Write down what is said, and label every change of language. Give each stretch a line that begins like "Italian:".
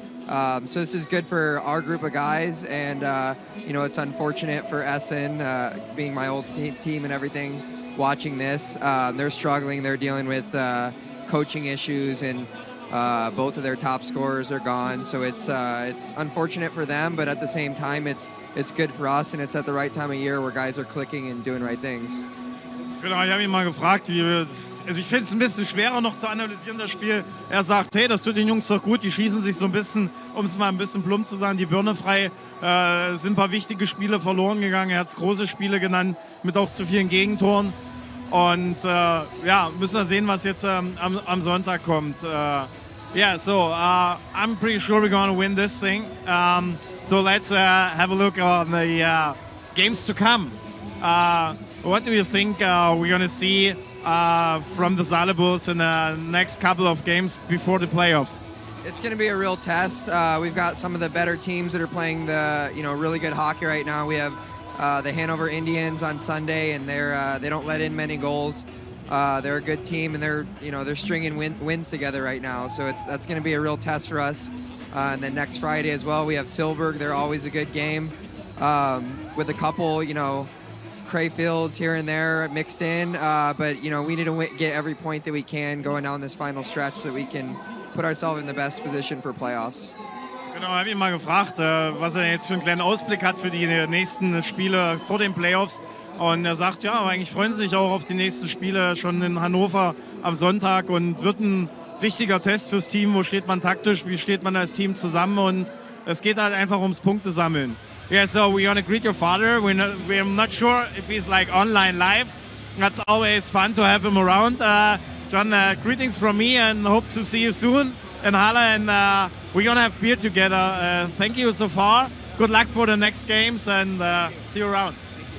English: So this is good for our group of guys, and you know, it's unfortunate for Essen, being my old team and everything, watching this. They're struggling, they're dealing with coaching issues, and both of their top scorers are gone, so it's unfortunate for them, but at the same time, it's good for us, and it's at the right time of year where guys are clicking and doing right things.
German: Genau, ich habe ihn mal gefragt, ich finde es ein bisschen schwerer noch zu analysieren, das Spiel. Er sagt, hey, das tut den Jungs doch gut, die schießen sich so ein bisschen, um es mal ein bisschen plump zu sagen, die Birne frei. Sind ein paar wichtige Spiele verloren gegangen, er hat es große Spiele genannt, mit auch zu vielen Gegentoren. Und ja, müssen wir sehen, was jetzt am Sonntag kommt.
English: I'm pretty sure we're gonna win this thing. So let's have a look on the games to come. What do you think we're gonna see from the Saale Bulls in the next couple of games before the playoffs? It's gonna be a real test. We've got some of the better teams that are playing the, you know, really good hockey right now. We have the Hanover Indians on Sunday, and they don't let in many goals. They're a good team, and they're stringing wins together right now. So that's gonna be a real test for us. And then next Friday as well, we have Tilburg. They're always a good game, with a couple, you know, Crayfields here and there mixed in, but you know, we need to get every point that we can going down this final stretch so that we can put ourselves in the best position for playoffs.
German: Genau, habe ich mal gefragt, was er jetzt für einen kleinen Ausblick hat für die nächsten Spiele vor den Playoffs, und er sagt, ja, eigentlich freuen sie sich auch auf die nächsten Spiele schon in Hannover am Sonntag, und wird ein richtiger Test fürs Team, wo steht man taktisch, wie steht man als Team zusammen, und es geht halt einfach ums Punkte sammeln.
English: Yeah, so we want to greet your father. We're not sure if he's like online live. That's always fun to have him around. John, greetings from me, and hope to see you soon in Halle. And we're going to have beer together. Thank you so far. Good luck for the next games, and see you around.